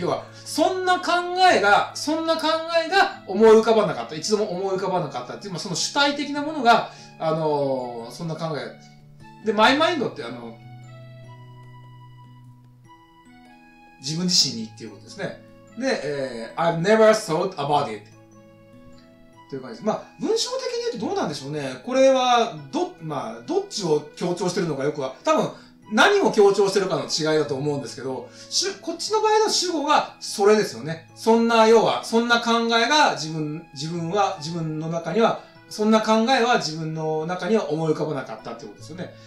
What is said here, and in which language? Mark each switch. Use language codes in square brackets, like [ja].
[ja] 要は、そんな考えが思い浮かばなかった。一度も思い浮かばなかったっていう、まあ、その主体的なものが、そんな考え。で、my mind って自分自身にっていうことですね。 [en] で、I've never thought about it [ja] という感じです。まあ文章的に言うとどうなんでしょうね。これはまあどっちを強調してるのかよくは、多分何を強調してるかの違いだと思うんですけど、こっちの場合の主語がそれですよね。そんな、要は、そんな考えが自分の中には、そんな考えは自分の中には思い浮かばなかったってことですよね。